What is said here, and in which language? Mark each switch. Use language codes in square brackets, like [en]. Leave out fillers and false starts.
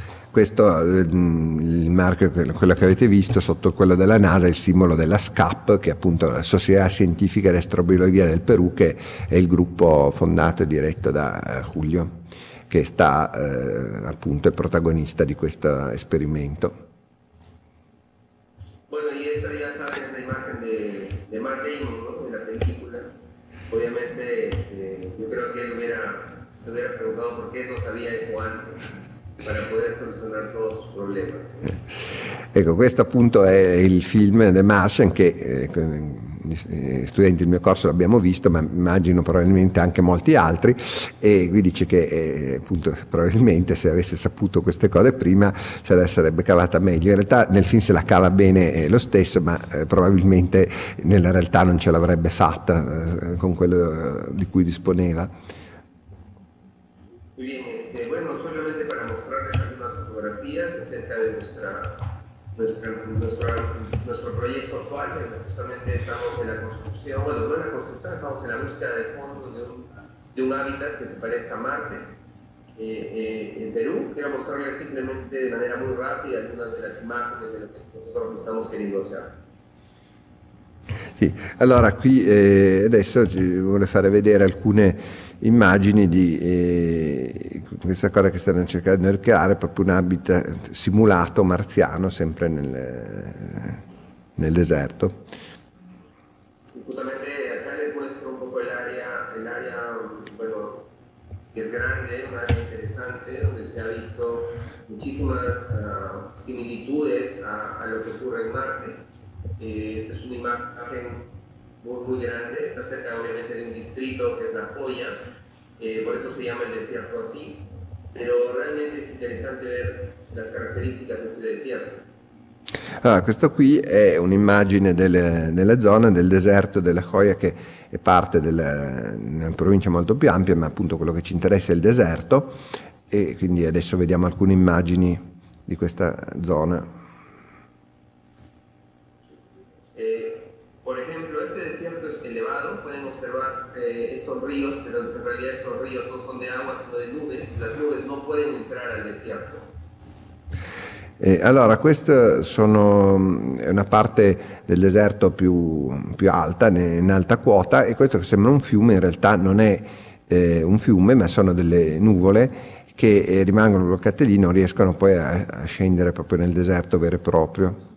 [it] Questo il marchio, quello che avete visto sotto quello della NASA, è il simbolo della SCAP, che è appunto la Società Scientifica di Astrobiologia del Perù, che è il gruppo fondato e diretto da Julio, che sta appunto è protagonista di questo esperimento. [es] Bueno, y esta ya sale en la imagen de Matt Damon, ¿no? De la película. Obviamente, yo creo que él se hubiera preguntado por qué no sabía eso antes, para poder solucionar todos sus problemas. [it] Ecco, questo appunto è il film The Martian che studenti del mio corso l'abbiamo visto, ma immagino probabilmente anche molti altri, e qui dice che appunto probabilmente se avesse saputo queste cose prima se la sarebbe cavata meglio. In realtà nel film se la cava bene lo stesso, ma probabilmente nella realtà non ce l'avrebbe fatta con quello di cui disponeva. [es] Bueno, solamente para mostrarles algunas fotografías acerca de nuestro proyecto actual, que justamente estamos en la construcción, bueno, no en la construcción, estamos en la búsqueda de fondos de un hábitat que se parezca a Marte, en Perú. Quiero mostrarles simplemente de manera muy rápida algunas de las imágenes de lo que nosotros estamos queriendo hacer. [it] Sì, allora qui adesso ci vuole fare vedere alcune immagini di questa cosa che stanno cercando di creare, proprio un habitat simulato marziano, sempre nel deserto. Sì, giustamente, [es] acá les muestro un poco [it] l'area, bueno, che è grande, un'area interessante, dove si ha visto [es] muchísimas similitudes a lo che ocurre [it] in Marte. [es] Esta es una imagen muy, muy grande, está cerca obviamente de un distrito que es La Joya, por eso se llama el desierto así, pero realmente es interesante ver las características de ese desierto. [it] Allora, questo qui è un'immagine della zona del deserto della Joya, che è parte della provincia molto più ampia, ma appunto quello che ci interessa è il deserto, e quindi adesso vediamo alcune immagini di questa zona. [es] Por ejemplo, este desierto es elevado, pueden observar estos ríos, pero en realidad estos ríos no son de agua, sino de nubes. Las nubes no pueden entrar al desierto. [it] Allora, questa è una parte del deserto più alta, in alta quota, e questo che sembra un fiume, in realtà non è un fiume, ma sono delle nuvole che rimangono bloccate lì, non riescono poi a scendere proprio nel deserto vero e proprio.